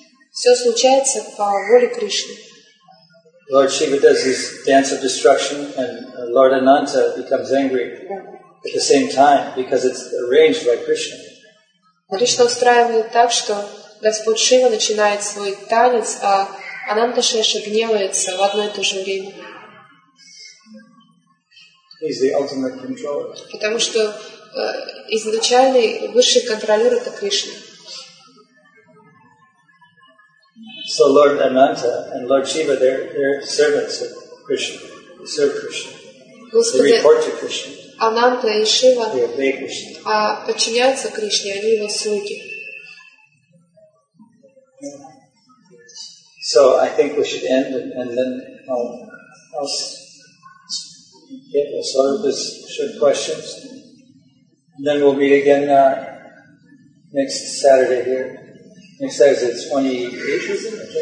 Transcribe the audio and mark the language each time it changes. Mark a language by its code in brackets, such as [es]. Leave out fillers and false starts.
[ru] Все случается по воле Кришны. [en] Lord Shiva does his dance of destruction, and Lord Ananta becomes angry at the same time because it's arranged by Krishna. [ru] Кришна устраивает так, что Господь Шива начинает свой танец, а Ананта Шеша гневается в одно и то же время. [en] He's the ultimate controller. [ru] Потому что изначальный высший контролер — это Кришна. [en] So Lord Ananta and Lord Shiva, they're servants of Krishna. They serve Krishna. [ru] Господи, [en] they report to Krishna. [ru] Ананта и Шива, [en] they obey Krishna. [ru] А подчиняются Кришне, они его слуги. [en] So I think we should end and then I'll sort of this short questions. And then we'll meet again next Saturday here. He says it's 28, is it?